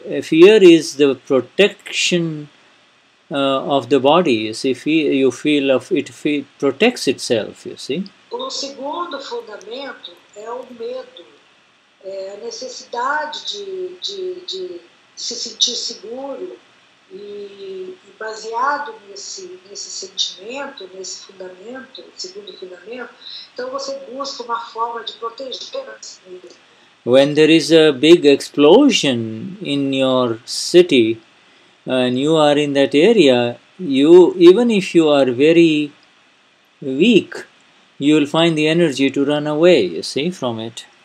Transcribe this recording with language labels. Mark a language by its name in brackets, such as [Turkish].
[English] Fear is the protection of the body, you see, it protects itself, you see. [Portuguese] O segundo fundamento é o medo, é a necessidade de se sentir seguro e baseado nesse sentimento, nesse fundamento, segundo fundamento, então você busca uma forma de proteger a si mesmo. [English] When there is a big explosion in your city, and you are in that area, you, even if you are very weak, you will find the energy to run away, you see, from it.